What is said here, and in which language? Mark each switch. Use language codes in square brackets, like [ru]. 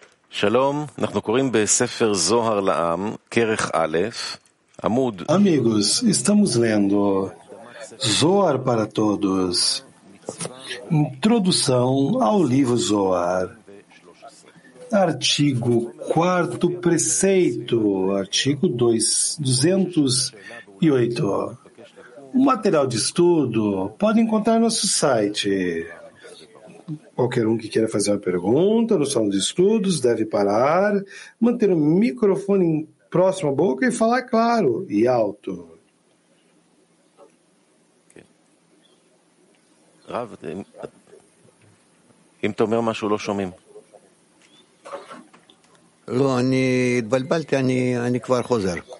[he] Shalom, אנחנו קוראים בספר זוהר לעם, כרך א', עמוד... [pt] Amigos, estamos lendo Zohar para Todos, introdução ao livro Zohar, artigo 4º preceito, artigo 208. O material de estudo pode encontrar no nosso site. Qualquer um que queira fazer uma pergunta no salão de estudos deve parar, manter o microfone próximo à boca e falar claro e alto. [he] Rav, אם אתה אומר משהו לא שומעים. לא, אני התבלבלתי, אני כבר חוזר.